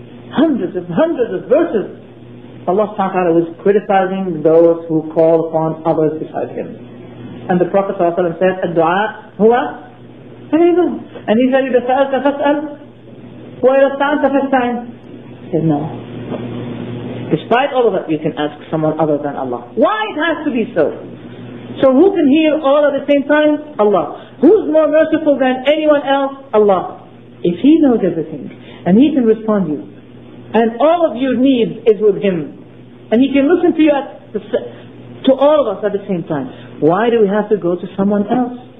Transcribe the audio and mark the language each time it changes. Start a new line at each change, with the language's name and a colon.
English: Hundreds and hundreds of verses. Allah subhanahu wa ta'ala was criticizing those who call upon others beside Him. And the Prophet sallallahu alayhi wa sallam said,
Arabic: الدعاء هو فريضه.
English: And he said,
Arabic: إذا سألت فاسأل وإذا استعنت فاستعن.
English: He said, no. Despite all of that, you can ask someone other than Allah. Why it has to be so? So who can hear all at the same time? Allah. Who's more merciful than anyone else? Allah. If He knows everything and He can respond to you, and all of your needs is with Him, and He can listen to you to all of us at the same time, why do we have to go to someone else?